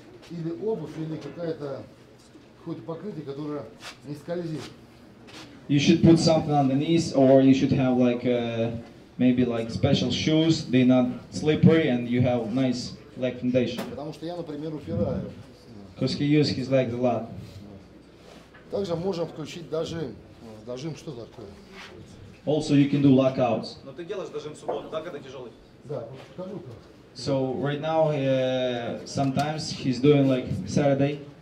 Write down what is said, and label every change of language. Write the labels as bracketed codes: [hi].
[ru] Или обувь, или какая-то хоть покрытие, которое не скользит. [en] You should put something on the knees, or you should have like maybe like special shoes. They not slippery, and you have nice leg foundation. [ru] Потому что я, например, упираю. [en] Because he uses his legs a lot. [ru] Также можем включить дожим. Дожим что такое? [en] Also, you can do lockouts. [ru] Но ты делаешь дожим в субботу, так это тяжелый. Да, скажу как. [en] So right now, sometimes he's doing like Saturday.